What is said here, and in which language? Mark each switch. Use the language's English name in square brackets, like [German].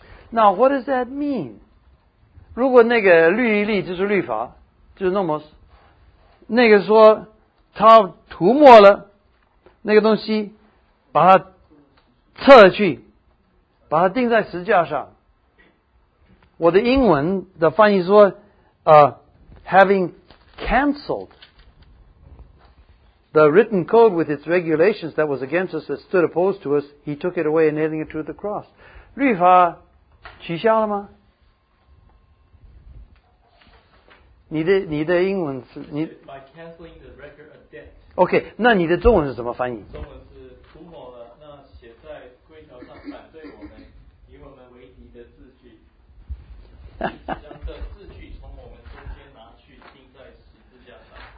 [English] Now what does that mean? [Chinese] 如果那个律例就是律法，就是 nomos， 那个说他涂抹了那个东西，把它撤去，把它钉在十字架上。 [English] 我的英文的翻译说，having cancelled the written code with its regulations that was against us that stood opposed to us, he took it away and nailing it to the cross. [Chinese] 律法取消了吗？你的英文是你 [English] by canceling the record of debt. [Chinese] OK， 那你的中文是怎么翻译？中文是涂抹了那写在规条上反对我们与我们为敌的字句，将这字句从我们中间拿去钉在十字架上。